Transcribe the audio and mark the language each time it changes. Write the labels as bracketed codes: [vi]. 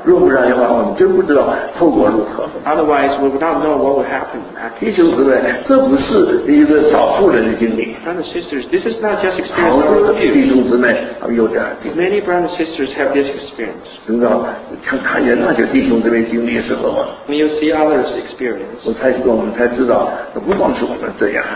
[zh] 若不然的话，我们真不知道后果如何。 [en] Otherwise, we would not know what would happen. [zh] 弟兄姊妹，这不是一个少数人的经历。 [en] Brothers and sisters, this is not just experience of a few. [zh] 好多弟兄姊妹有这样经历。 [en] Many brothers and sisters have this experience. [zh] 知道看见那些弟兄姊妹经历的时候吗 [en] ？When you see others' experience, [zh] 我们才知道，不光是我们这样。